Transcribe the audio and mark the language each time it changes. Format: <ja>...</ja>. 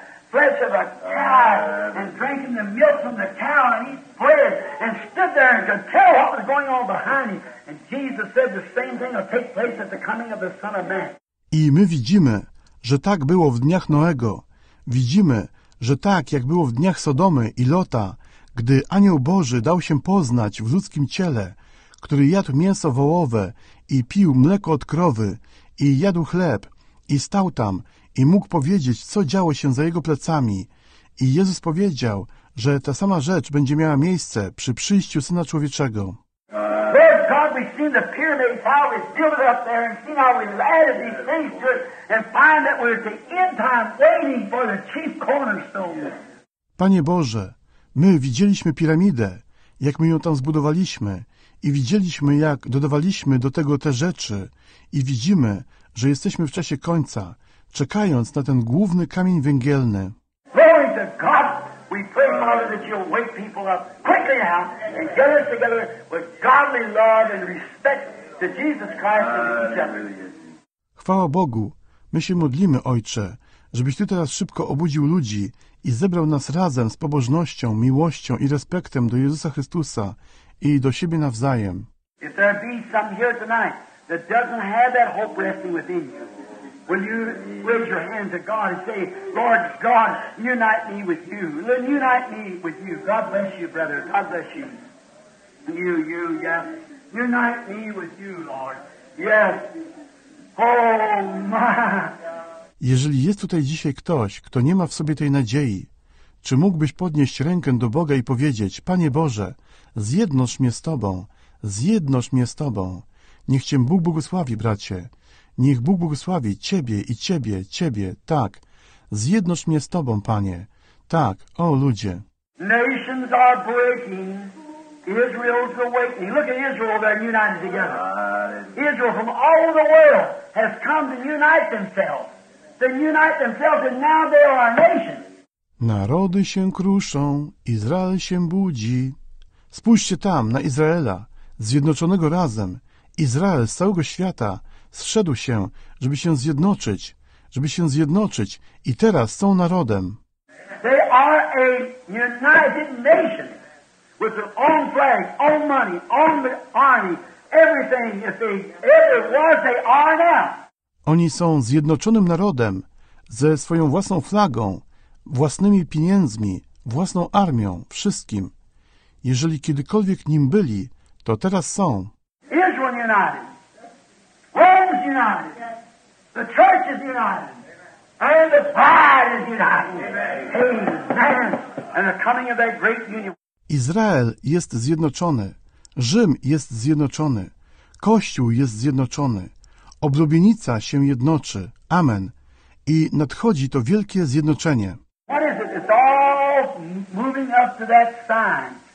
<en>Flesh of a cow and drinking the milk from the cow and eat bread and stood there and could tell what was going on behind him. And Jesus said the same thing will take place at the coming of the Son of Man.</en> <pl>I my widzimy, że tak było w dniach Noego. Widzimy, że tak, jak było w dniach Sodomy i Lota, gdy anioł Boży dał się poznać w ludzkim ciele, który jadł mięso wołowe i pił mleko od krowy i jadł chleb i stał tam, i mógł powiedzieć, co działo się za jego plecami. I Jezus powiedział, że ta sama rzecz będzie miała miejsce przy przyjściu Syna Człowieczego.</pl> <en>Lord God, we've seen the pyramids, how we've built up there, and seen how we've added these things to it, and find that we're at the end time waiting for the chief cornerstone.</en> <pl>Panie Boże, my widzieliśmy piramidę, jak my ją tam zbudowaliśmy, i widzieliśmy, jak dodawaliśmy do tego te rzeczy, i widzimy, że jesteśmy w czasie końca, czekając na ten główny kamień węgielny.</pl> <en>Glory to God, we pray, Father, that you'll wake people up quickly now and get us together with godly love and respect to Jesus Christ and each other.</en> <pl>Chwała Bogu, my się modlimy, Ojcze, żebyś Ty teraz szybko obudził ludzi i zebrał nas razem z pobożnością, miłością i respektem do Jezusa Chrystusa i do siebie nawzajem.</pl> <en>If there be some here tonight that doesn't have that hope resting within you, will you raise your hand to God and say, Lord God, unite me with you. Unite me with you. God bless you, brother. God bless you. You, yes. Unite me with you, Lord. Yes. Oh, my.</en> <pl>Jeżeli jest tutaj dzisiaj ktoś, kto nie ma w sobie tej nadziei, czy mógłbyś podnieść rękę do Boga i powiedzieć, Panie Boże, zjednocz mnie z Tobą, zjednocz mnie z Tobą. Niech Cię Bóg błogosławi, bracie. Niech Bóg błogosławi Ciebie i Ciebie, Ciebie, tak. Zjednocz mnie z Tobą, Panie. Tak, o ludzie.</pl> <en>Nations are breaking. Israel's awakening. Look at Israel, they're united together. Israel from all the world has come to unite themselves. They unite themselves and now they are a nation.</en> <pl>Narody się kruszą, Izrael się budzi. Spójrzcie tam, na Izraela, zjednoczonego razem. Izrael z całego świata zszedł się, żeby się zjednoczyć, żeby się zjednoczyć i teraz są narodem.</pl> <en>They are a united nation with their own flag, own money, own army, everything if they ever was, they are now.</en> <pl>Oni są zjednoczonym narodem ze swoją własną flagą, własnymi pieniędzmi, własną armią, wszystkim. Jeżeli kiedykolwiek nim byli, to teraz są.</pl> <en>Israel united. Rome's united. The church is united. And the bride is united. Amen. And the coming of that great union.</en> <pl>Izrael jest zjednoczony. Rzym jest zjednoczony. Kościół jest zjednoczony. Oblubienica się jednoczy. Amen. I nadchodzi to wielkie zjednoczenie.</pl> <en>What is it? It's all moving up to that sign.</en>